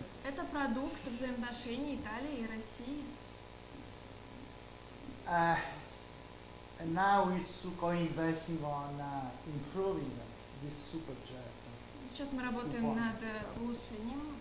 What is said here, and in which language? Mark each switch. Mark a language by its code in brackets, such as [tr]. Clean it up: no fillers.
[ru] Это продукт взаимоотношений Италии и России. [en] And now is Sukhoi investing on improving this super jet. [ru] Сейчас мы работаем над улучшением.